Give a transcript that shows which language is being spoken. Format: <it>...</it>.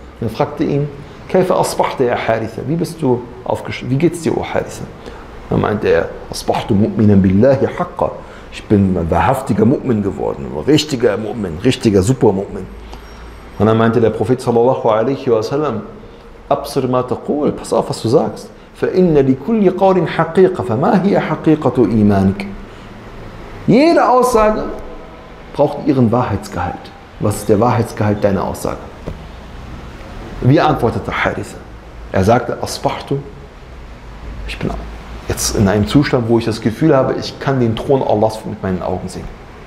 <de>Und er fragte ihn,</de> <ar>Kaifa asbachte ya Haritha?</ar> <de>Wie bist du aufgestanden? Wie geht's dir, o Haritha? Dann meinte er,</de> <ar>asbachtu mu'minan billahi haqqa.</ar> <de>Ich bin ein wahrhaftiger Mu'min geworden. Ein richtiger Mu'min, richtiger Super-Mu'min. Und dann meinte der Prophet sallallahu alaihi wa sallam,</de> <ar>أبصر ما تقول.</ar> <de>Pass auf, was du sagst.</de> <ar>فإن لكل قول حقيقة فما هي حقيقة إيمانك.</ar> <de>Jede Aussage braucht ihren Wahrheitsgehalt. Was ist der Wahrheitsgehalt deiner Aussage? Wie antwortete Haritha? Er sagte, أصبحتُ. Ich bin jetzt in einem Zustand, wo ich das Gefühl habe, ich kann den Thron Allahs mit meinen Augen sehen.</de>